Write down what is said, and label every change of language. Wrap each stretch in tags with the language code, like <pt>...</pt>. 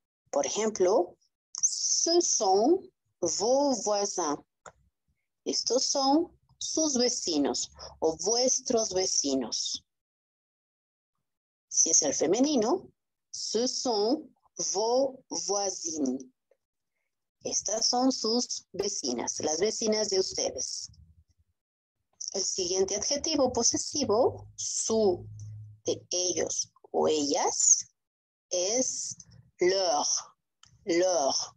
<es>Por ejemplo,</es> <fr>ce sont vos voisins.</fr> <es>Estos son sus vecinos o vuestros vecinos. Si es el femenino,</es> <fr>ce sont vos voisines.</fr> <es>Estas son sus vecinas, las vecinas de ustedes. El siguiente adjetivo posesivo, su, de ellos o ellas, es leur, leur.</es>